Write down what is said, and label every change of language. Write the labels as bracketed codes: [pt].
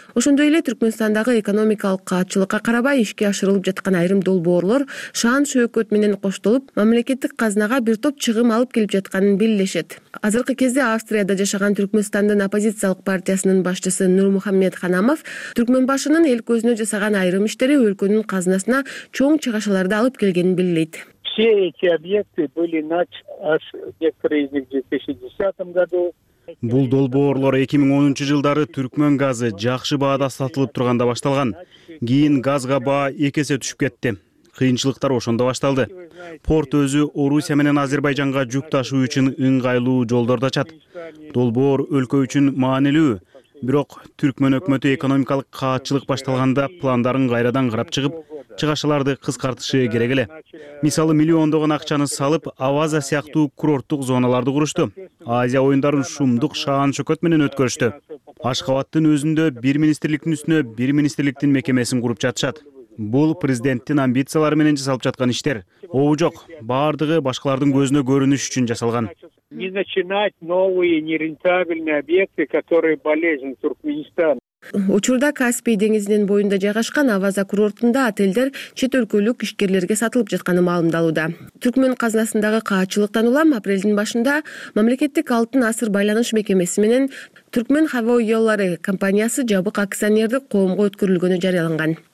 [ky] Ошондой эле Түркмөнстандагы экономикалык каатчылыкка карабай ишке ашырылып жаткан айрым долбоорлор шаан шөөкөт менен коштолуп, мамлекеттик казнага бир топ чыгым алып келип жатканын билдиришет. Азыркы кезде Австрияда жашаган Түркмөнстандын оппозициялык партиясынын башчысы Нурмухаммед Ханамов Түркмөн башынын эл көзүнө жасаган айрым иштери өлкөнүн казнасына чоң чыгашаларды алып келгенин билдирет. [ru] Все эти объекты были начаты некоторые из них в 2010 году. [ky] Бул долбоорлор 2010 жылдары Түркмөн газы жакшы баада сатылып турганда башталган. Кийин газга баа 2 эсе түшүп кетти. Кыйынчылыктар ошондо башталды. Порт өзү Орусия менен Азербайжанга жүк ташуу үчүн ыңгайлуу жолдорду ачат. Долбоор өлкө үчүн маанилүү. Бирок Түркмөн өкмөтү экономикалык каатчылык башталганда пландарын кайрадан карап чыгып, чыгашаларды кыскартышы керек эле. Мисалы, миллиондогон акчаны салып, Аваза сыяктуу курорттук зоналарды курушту. Азия оюндарын шумдук шаан шөкөт менен өткөрүштү. Ашкабадтын өзүндө бир министрликтин үстүнө бир министрликтин мекемесин куруп жатышат. Бул президенттин амбициялары менен жасалып жаткан иштер. Обу жок, баардыгы башкалардын көзүнө көрүнүш үчүн жасалган. [ru] Не начинать новые нерентабельные объекты, которые болезнь Туркменистана. [ky] Учурда Каспий деңизинин боюнда жайгашкан Аваза курортунда отелдер чет өлкөлүк ишкерлерге сатылып жатканы маалымдалууда. Түркмөн казнасындагы каачылыктан улам апрелдин башында мамлекеттик алтын асыр байланыш мекемеси менен Түркмөн Хава Йоллары компаниясы жабык акционердик коомго өткөрүлгөнү жарыяланган.